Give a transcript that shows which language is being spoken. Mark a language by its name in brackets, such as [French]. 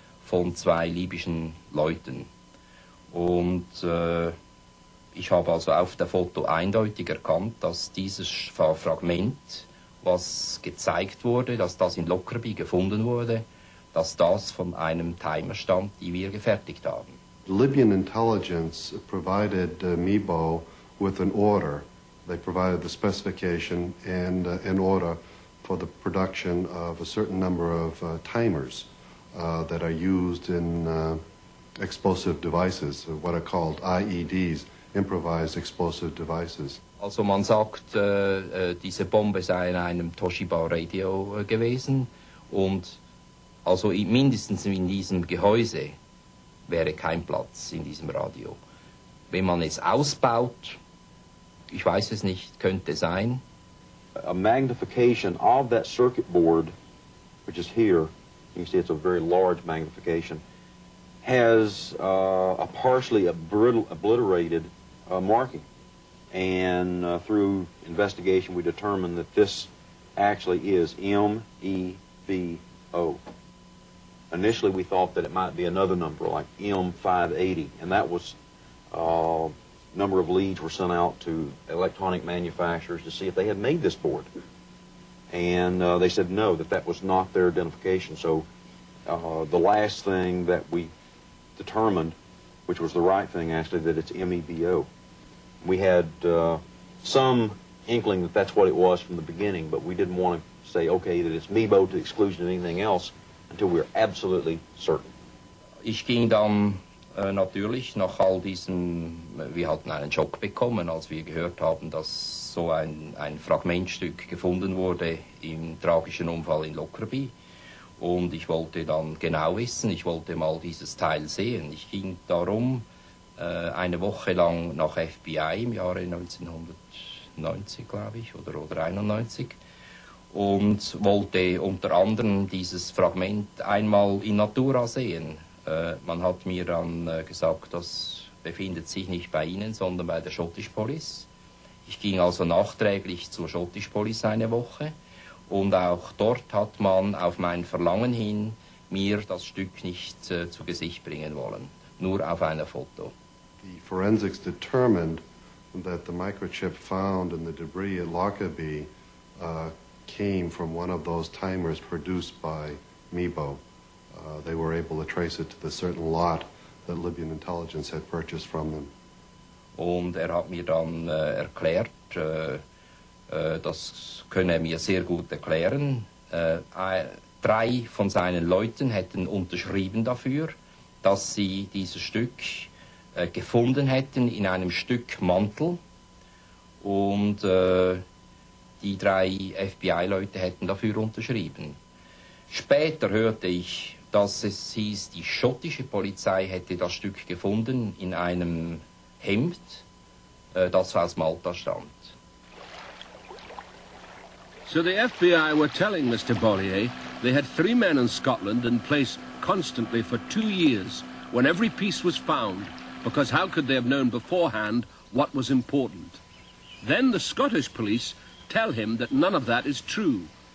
[German] von zwei libyschen Leuten. Und ich habe also auf der Foto eindeutig erkannt, dass dieses Fragment, was gezeigt wurde, dass das in Lockerbie gefunden wurde, dass das von einem Timer stammt, die wir gefertigt haben. [English] The Libyan intelligence provided Mebo with an order. They provided the specification and an order for the production of a certain number of timers that are used in explosive devices, what are called IEDs, improvised explosive devices. [German] Also man sagt, diese Bombe sei in einem Toshiba-Radio gewesen und also mindestens in diesem Gehäuse wäre kein Platz in diesem Radio. Wenn man es ausbaut, ich weiß es nicht, könnte sein. [English] A magnification of that circuit board, which is here, you see it's a very large magnification, has a partially obliterated marking. And through investigation, we determined that this actually is M-E-B-O. Initially, we thought that it might be another number, like M-580, and that was number of leads were sent out to electronic manufacturers to see if they had made this board. And they said no, that was not their identification. So the last thing that we determined, which was the right thing, actually, that it's M-E-B-O. We had some inkling that that's what it was from the beginning, but we didn't want to say, okay, that it's Mebo to the exclusion of anything else until we're absolutely certain. [German] Ich ging dann natürlich nach all diesen, wir hatten einen Schock bekommen, als wir gehört haben, dass so ein Fragmentstück gefunden wurde im tragischen Unfall in Lockerbie. Und ich wollte dann genau wissen, ich wollte mal dieses Teil sehen. Ich ging darum eine Woche lang nach FBI im Jahre 1990, glaube ich, oder 91, und wollte unter anderem dieses Fragment einmal in Natura sehen. Man hat mir dann gesagt, das befindet sich nicht bei Ihnen, sondern bei der Scottish Police. Ich ging also nachträglich zur Scottish Police eine Woche und auch dort hat man auf mein Verlangen hin mir das Stück nicht zu Gesicht bringen wollen, nur auf einer Foto. [English] The forensics determined that the microchip found in the debris at Lockerbie came from one of those timers produced by Mebo. They were able to trace it to the certain lot that Libyan intelligence had purchased from them. [German] Und hat mir dann erklärt, das könne mir sehr gut erklären, drei von seinen Leuten hätten unterschrieben dafür, dass sie dieses Stück gefunden hätten in einem Stück Mantel und die drei FBI-Leute hätten dafür unterschrieben. Später hörte ich, dass es hieß, die schottische Polizei hätte das Stück gefunden in einem Hemd, das aus Malta stammt. [English] So the FBI were telling Mr. Bollier, they had three men in Scotland in place constantly for 2 years when every piece was found. Because how could they have known beforehand what was important? Then the Scottish police tell him that none of that is true.